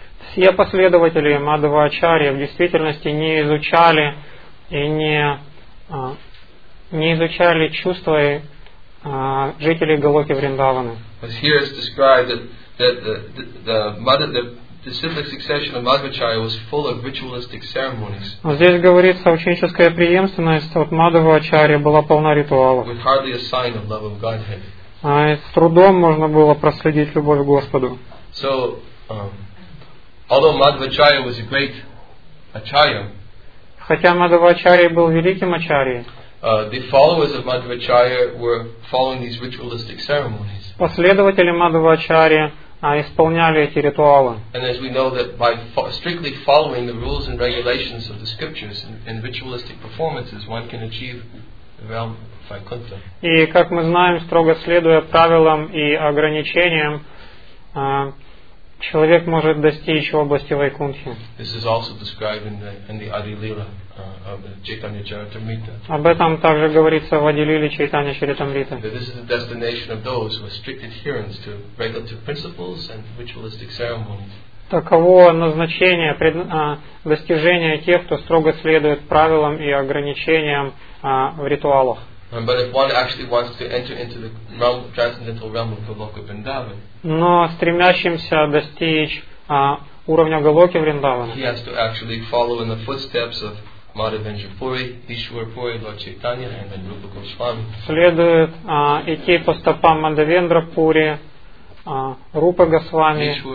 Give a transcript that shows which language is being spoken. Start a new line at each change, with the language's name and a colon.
Russian: Все последователи Мадхвачарьи в действительности не изучали и не изучали чувства жителей Голоки Вриндаваны.
English: But here it's described that the disciplic succession of Madhvacharya was full of ritualistic ceremonies.
Russian: Здесь говорится, ученическая преемственность от Мадхвачарьи была полна ритуалов.
English: With hardly a sign of love of Godhead.
Russian: С трудом можно было проследить любовь к Господу.
English: So, although Madhvacharya was a great acharya,
Russian: хотя Мадхвачарья был великим ачарьей,
English: the followers of Madhvacharya were following these ritualistic ceremonies.
Russian: Последователи Мадхвачарья исполняли эти ритуалы.
English: And as we know that by strictly following the rules and regulations of the scriptures in ritualistic performances, one can achieve the realm of Vaikuntha.
Russian: И как мы знаем, строго следуя правилам и ограничениям, человек может достичь области Вайкунтхи.
English: This is also described in the Adi Lila of the Chaitanya Charitamrita.
Russian: Об этом также говорится в Адилиле Лиле Чайтанья Чаритамрита.
English: This is the destination of those who are strict adherents to regulative principles and ritualistic ceremonies.
Russian: Таково назначение достижения тех, кто строго следует правилам и ограничениям в ритуалах.
English: But if one actually wants to enter into the realm, transcendental realm of Goloka Vrindavan,
Russian: но стремящимся достичь уровня Голоки Вриндавана,
English: he has to actually follow in the footsteps of Madhavendrapuri, Ishwarpuri, Lord Chaitanya, and then Rupa Goswami.
Russian: Следует идти по стопам Мадхавендрапури, Рупа Госвами,